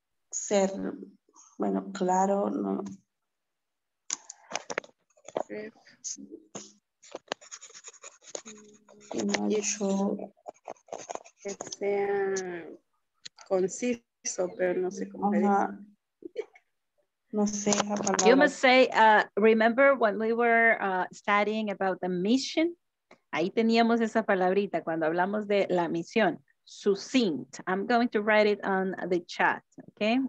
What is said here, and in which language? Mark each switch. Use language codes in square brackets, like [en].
[es] Ser. Bueno, claro, no. Que sea conciso, pero no sé cómo decirlo. No sé, [en] you must say, remember when we were studying about the mission? [es] Ahí teníamos esa palabrita cuando hablamos de la misión. [en] Succinct. I'm going to write it on the chat, okay?